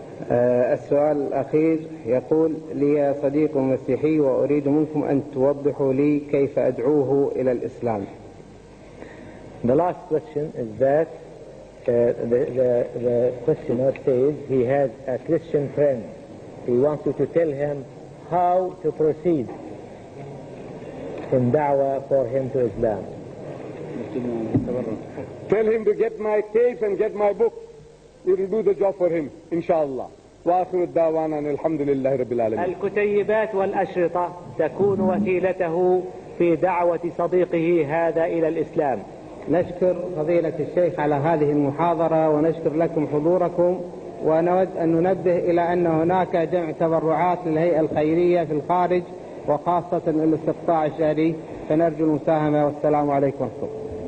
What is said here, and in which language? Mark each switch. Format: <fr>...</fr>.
<ar>السؤال الأخير يقول لي صديق مسيحي وأريد منكم أن توضحوا لي كيف أدعوه إلى الإسلام.</ar> <en>The last question is that the questioner says he has a Christian friend. He wants you to tell him how to proceed in da'wah for him to Islam. Tell him to get my case and get my book. It will do the job for him, inshallah.</en> <ar>وآخر الدعوان أن الحمد لله رب العالمين. الكتيبات والأشرطة تكون وسيلته في دعوة صديقه هذا إلى الإسلام. نشكر فضيلة الشيخ على هذه المحاضرة ونشكر لكم حضوركم، ونود أن ننبه إلى أن هناك جمع تبرعات للهيئة الخيرية في الخارج وخاصة الاستقطاع الشهري، فنرجو المساهمة والسلام عليكم ورحمة الله.</ar>